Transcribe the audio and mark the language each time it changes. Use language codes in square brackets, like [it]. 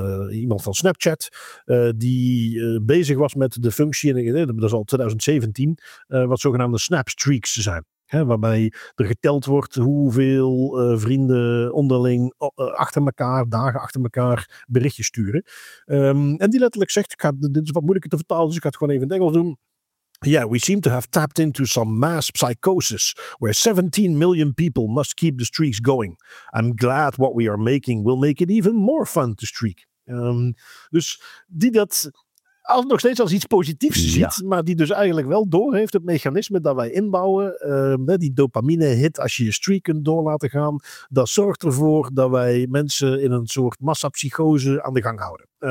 [nl] Iemand van Snapchat die bezig was met de functie, dat is al 2017, wat zogenaamde Snapstreaks zijn. Hè, waarbij er geteld wordt hoeveel vrienden onderling achter elkaar, dagen achter elkaar, berichtjes sturen. En die letterlijk zegt, dit is wat moeilijker te vertalen, dus ik ga het gewoon even in het Engels doen. [en] Yeah, we seem to have tapped into some mass psychosis where 17 million people must keep the streaks going. I'm glad what we are making will make it even more fun to streak. [nl] Dus die dat nog steeds als iets positiefs ziet, ja, maar die dus eigenlijk wel doorheeft het mechanisme dat wij inbouwen. Die dopamine hit als je je streak kunt doorlaten gaan, dat zorgt ervoor dat wij mensen in een soort massapsychose aan de gang houden.